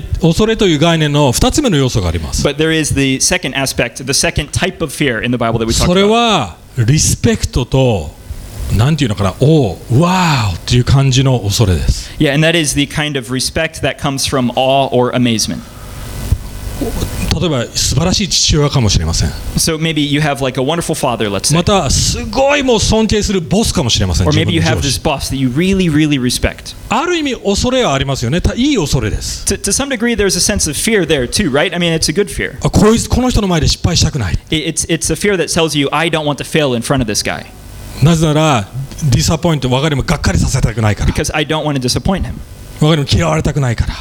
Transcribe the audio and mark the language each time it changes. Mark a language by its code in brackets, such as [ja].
[en] But there is the second aspect, the second type of fear in the Bible that we talked about. [ja] リスペクトと、なんていうのかな、おー、わーっていう感じの恐れです。 [en] Yeah, and that is the kind of respect that comes from awe or amazement. [ja] 例えば、素晴らしい父親かもしれません。 [en] So maybe you have like a wonderful father, let's say. [ja] また、すごいもう尊敬するボスかもしれません。 [en] Or maybe you have this boss that you really, really respect. [ja] ある意味恐れはありますよね。いい恐れです。 [en] To some degree, there's a sense of fear there too, right? I mean, it's a good fear. [ja] この人の前で失敗したくない。 [en] It's a fear that tells you, I don't want to fail in front of this guy. [ja] なぜなら、ディサポイント、我が家にもがっかりさせたくないから。 [en] Because I don't want to disappoint him. [ja] 我が家にも嫌われたくないから。